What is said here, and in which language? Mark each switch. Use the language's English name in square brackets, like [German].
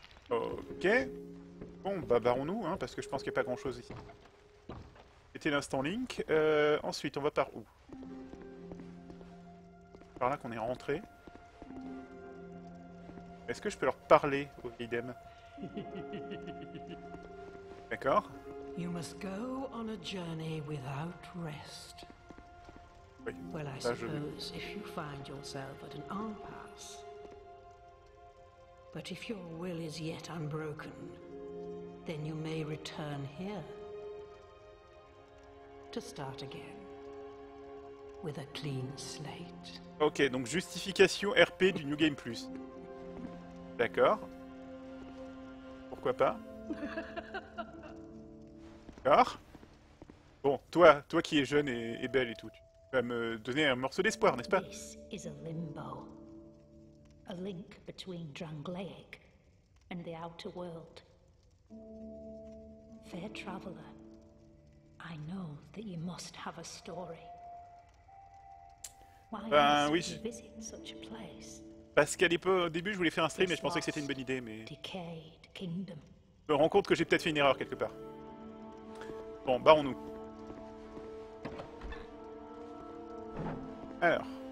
[French] Ok. Bon, bah barrons-nous, hein, parce que je pense qu'il n'y a pas grand-chose ici. C'était l'instant Link. Ensuite, on va par où? Par là qu'on est rentré. Est-ce que je peux leur parler au idem? D'accord. [English] You must go on a journey without rest. [French] Oui. [English] Well, I suppose if you find yourself at an impasse. But if your will is yet unbroken, then you may return here to start again with a clean slate. [French] OK, donc justification RP du New Game Plus. D'accord. Pourquoi pas? D'accord. Bon, toi qui es jeune et belle et tout, tu vas me donner un morceau d'espoir, n'est-ce pas? [English] This is a limbo. A link between Drangleic and the outer world. Fair traveler, I know that you must have a story. Why ben, [French] oui, [English] you visit such a place? [French] Parce qu'à l'époque, au début, je voulais faire un stream et je pensais que c'était une bonne idée, mais... [English] Decayed kingdom. [French] Je me rends compte que j'ai peut-être fait une erreur quelque part. Bon, barrons-nous. Alors.